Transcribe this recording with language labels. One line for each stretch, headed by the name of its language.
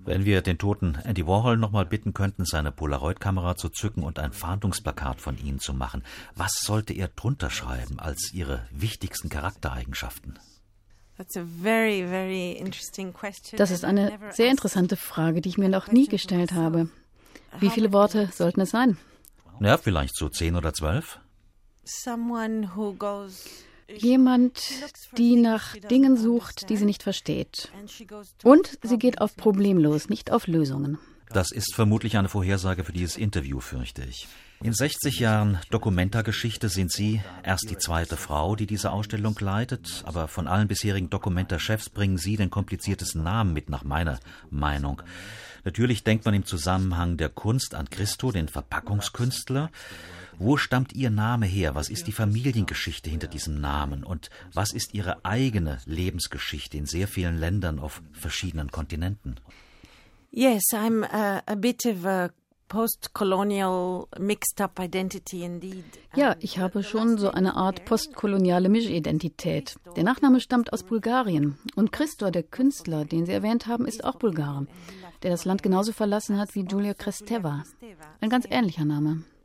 German: Wenn wir den toten Andy Warhol nochmal bitten könnten, seine Polaroid-Kamera zu zücken und ein Fahndungsplakat von Ihnen zu machen, was sollte er drunter schreiben als Ihre wichtigsten Charaktereigenschaften?
English: That's a very, very interesting question.
German: Das ist eine sehr interessante Frage, die ich mir noch nie gestellt habe. Wie viele Worte sollten es sein? Naja, vielleicht so 10 oder 12.
English: Someone who goes...
German: Jemand, die nach Dingen sucht, die sie nicht versteht. Und sie geht auf problemlos, nicht auf Lösungen. Das ist vermutlich eine Vorhersage für dieses Interview, fürchte ich. In 60 Jahren Dokumenta-Geschichte sind Sie erst die zweite Frau, die diese Ausstellung leitet. Aber von allen bisherigen Dokumenta-Chefs bringen Sie den kompliziertesten Namen mit, nach meiner Meinung. Natürlich denkt man im Zusammenhang der Kunst an Christo, den Verpackungskünstler. Wo stammt Ihr Name her? Was ist die Familiengeschichte hinter diesem Namen? Und was ist Ihre eigene Lebensgeschichte in sehr vielen Ländern auf verschiedenen Kontinenten?
English: Yes, I'm a bit of a post-colonial mixed-up identity indeed.
German: Ja, ich habe schon so eine Art postkoloniale Mischidentität. Der Nachname stammt aus Bulgarien. Und Christo, der Künstler, den Sie erwähnt haben, ist auch Bulgar, der das Land genauso verlassen hat wie Julia Kristeva. Ein ganz ähnlicher Name.